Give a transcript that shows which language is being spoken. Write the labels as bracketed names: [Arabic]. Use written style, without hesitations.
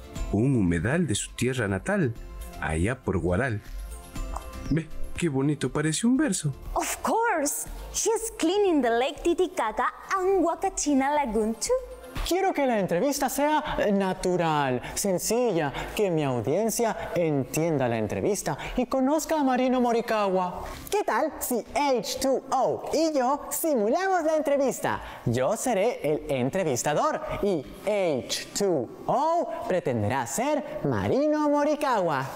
[Spanish] Un humedal de su tierra natal, allá por Huaral. Ve, qué bonito parece un verso. [English] Of course, she's cleaning the Lake Titicaca and Huacachina Lagoon too. [Spanish] Quiero que la entrevista sea natural, sencilla, que mi audiencia entienda la entrevista y conozca a Marino Morikawa. ¿Qué tal si H2O y yo simulamos la entrevista? Yo seré el entrevistador y H2O pretenderá ser Marino Morikawa.